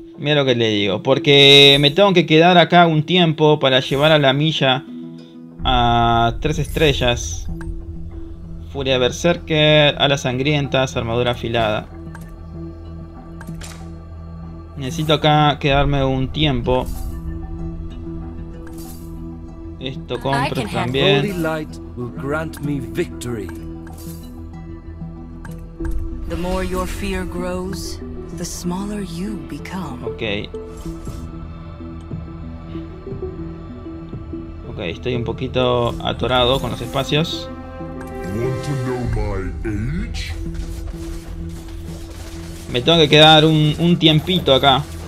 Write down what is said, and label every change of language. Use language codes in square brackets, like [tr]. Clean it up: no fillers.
[es] Mira lo que le digo, porque me tengo que quedar acá un tiempo para llevar a la milla a 3 estrellas. Furia Berserker, alas sangrientas, armadura afilada. Necesito acá quedarme un tiempo. Esto compro también. [en] Holy light will grant me victory. The more your fear grows, the smaller you become. [es] Okay, estoy un poquito atorado con los espacios. [en] Want to know my age? [es] Me tengo que quedar un tiempito acá.